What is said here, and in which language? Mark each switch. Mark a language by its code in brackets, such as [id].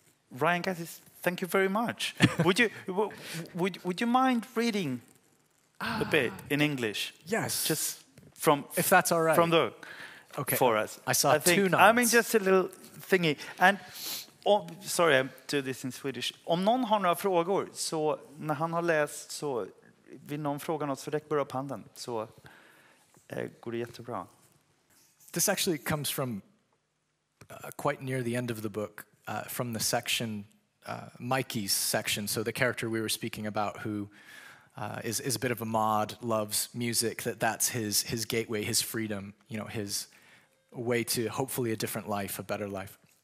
[en] Ryan Gattis, thank you very much. would you mind reading a bit in English? Yes. Just from, if that's all right. From the, okay, for us. I saw, I think, two notes. I mean, just a little thingy. And oh, sorry, I do this in Swedish. [sv] Om någon har några frågor, så när han har läst, så vill någon fråga något, så räck bara upp handen, så går det jättebra. [en] This actually comes from quite near the end of the book, from the section, Mikey's section. So the character we were speaking about, who is a bit of a mod, loves music, that's his gateway, his freedom, you know, his way to hopefully a different life, a better life.